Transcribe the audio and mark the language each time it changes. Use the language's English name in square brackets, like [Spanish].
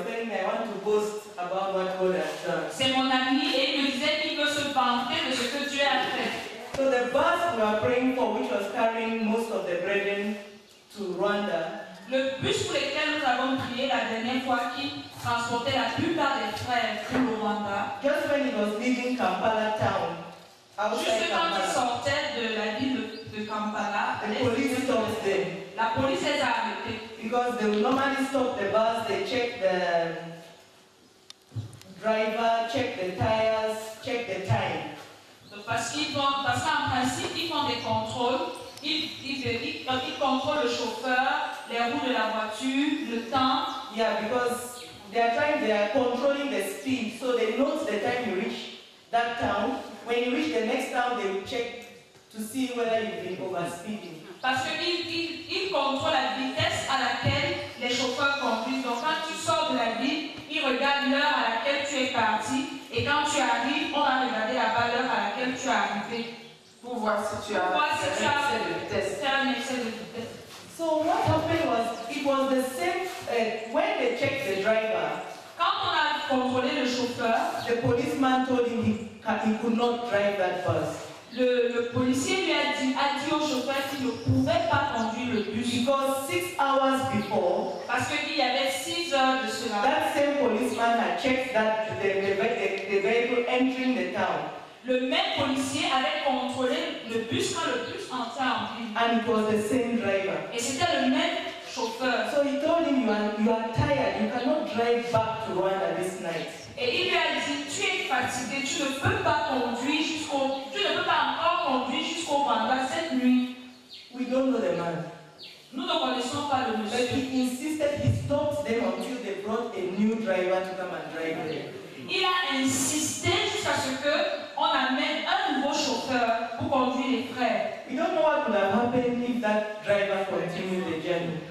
[French] C'est mon ami et il me disait qu'il veut se vanter de ce que Dieu a fait. [English] So the bus we were praying for, which was carrying most of the brethren to Rwanda. [French] Le bus pour lequel nous avons prié la dernière fois qui transportait la plupart des frères au Rwanda. [English] Just when he was leaving Kampala town, [French] juste quand il sortait de la ville de Kampala, la police les a arrêtés. [English] Because they will normally stop the bus, they check the driver, check the tires, check the time. [French] Parce qu'en principe, ils font des contrôles. Ils contrôlent le chauffeur, les roues de la voiture, le temps. [English] Yeah, because they are trying, they are controlling the speed, so they note the time you reach that town. When you reach the next town, they will check to see whether you've been overspeeding. [French] Parce qu'ils contrôlent la vitesse à laquelle les chauffeurs conduisent. Donc quand tu sors de la ville, ils regardent l'heure à laquelle tu es parti. Et quand tu arrives, on va regarder la valeur à laquelle tu es arrivé. Pour voir si tu as fait si un excès de vitesse. [English] So what happened was, it was the same, when they checked the driver, [French] quand on a contrôlé le chauffeur, [English] the policeman told him he could not drive that bus. [French] Le policier lui a dit au chauffeur qu'il ne pouvait pas conduire le bus. [English] Because 6 hours before, [French] parce qu'il y avait 6 heures de cela, [English] that same policeman had checked the vehicle entering the town. [French] Le même policier avait contrôlé le bus quand le bus entrait en ville. [English] And it was the same driver. [French] Et c'était le même chauffeur. [English] So he told him, you are tired, you cannot drive back to Rwanda this night. [French] Et il lui a dit, tu es fatigué, tu ne peux pas encore conduire jusqu'au Rwanda cette nuit. [English] We don't know the man. [French] Nous ne connaissons pas le monsieur. [English] But he insisted, he stopped them until they brought a new driver to come and drive there. [French] Il a insisté jusqu'à ce que on amène un nouveau chauffeur pour conduire les frères. [English] We don't know what would have happened if that driver continued the journey.